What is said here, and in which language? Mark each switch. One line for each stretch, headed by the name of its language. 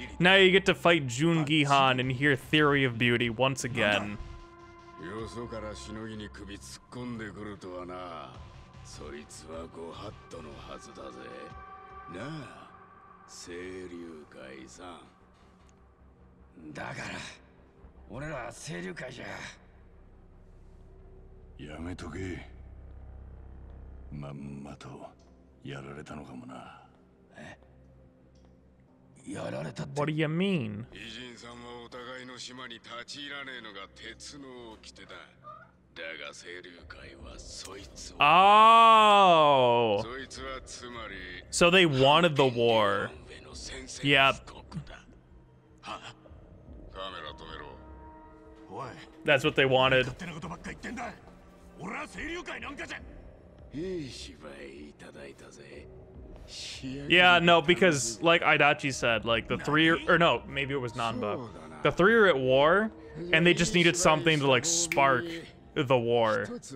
English: Now you get to fight Jun Gihan and hear Theory of Beauty once again.
Japanese: よそからしのぎに首突っ込んでくるとはな。そいつはご法度のはずだぜ。なあ、清流会さん。だから、俺らは清流会じゃ。やめとけ。まんまとやられたのかもな。え？やられたって。
English: What do you mean?
Japanese: 偉人さんはお互いの島に立ち入らねえのが鉄の掟だ。だが清流会はそいつを。
English: Oh.
Japanese: そいつはつまり。
English: So they wanted the war. Yep.
Japanese: カメラ止めろ。おい。
English: That's what they wanted.
Japanese: 勝手なことばっか言ってんだ。俺は清流会なんかじゃ。
English: Yeah, no, because like Adachi said, like the three are, or no, maybe it was Nanba. The three are at war, and they just needed something to like spark the war.